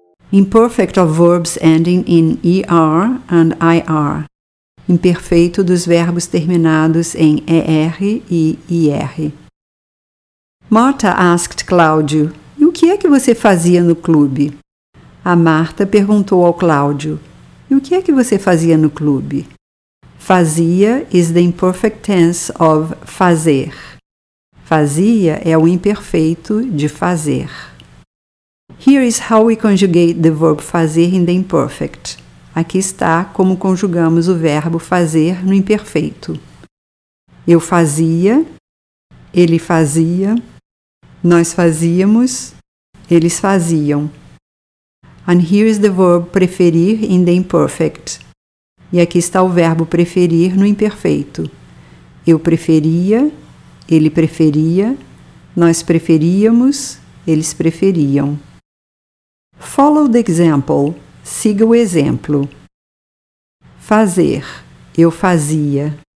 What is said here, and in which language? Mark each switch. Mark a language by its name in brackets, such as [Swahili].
[English] Imperfect of verbs ending in ER and IR. [Portuguese] Imperfeito dos verbos terminados em ER e IR. [English] Marta asked Cláudio, [Portuguese] e o que é que você fazia no clube? A Marta perguntou ao Cláudio, e o que é que você fazia no clube? [English] Fazia is the imperfect tense of fazer. [Portuguese] Fazia é o imperfeito de fazer. [English] Here is how we conjugate the verb fazer in the imperfect. [Portuguese] Aqui está como conjugamos o verbo fazer no imperfeito. Eu fazia, ele fazia, nós fazíamos, eles faziam. [English] And here is the verb preferir in the imperfect. [Portuguese] E aqui está o verbo preferir no imperfeito. Eu preferia, ele preferia, nós preferíamos, eles preferiam. [English] Follow the example. [Portuguese] Siga o exemplo. Fazer, eu fazia.